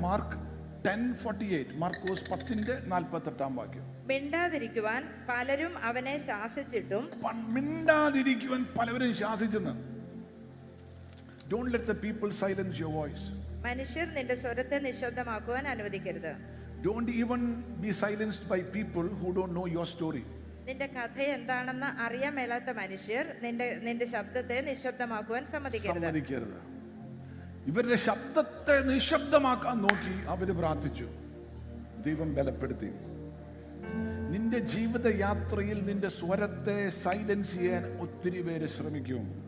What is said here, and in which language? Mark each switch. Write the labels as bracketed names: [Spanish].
[Malayalam] Mark 10:48. Markose 10:48 വാക്യം. മിണ്ടാതിരിക്കുവാൻ പലരും അവനെ ശാസിച്ചിട്ടും. മിണ്ടാതിരിക്കുവാൻ പലരും ശാസിച്ചെന്ന്. [English] Don't let the people silence your voice. [Malayalam] മനുഷ്യർ നിന്റെ സ്വരത്തെ നിശബ്ദമാക്കുവാൻ അനുവദിക്കരുത്. [English] Don't even be silenced by people who don't know your story. [Malayalam] നിന്റെ കഥ എന്താണെന്ന് അറിയാൻ മേലാത്ത മനുഷ്യർ നിന്റെ ശബ്ദത്തെ നിശബ്ദമാക്കുവാൻ സമ്മതിക്കരുത്. ഇവരുടെ ശബ്ദത്തെ നിശബ്ദമാക്കാൻ നോക്കി അവർ പ്രാർത്ഥിച്ചു. ദൈവം ബലപ്പെടുത്തി. നിന്റെ ജീവിതയാത്രയിൽ നിന്റെ സ്വരത്തെ സൈലൻസ് ചെയ്യാൻ ഒത്തിരി പേര് ശ്രമിക്കും.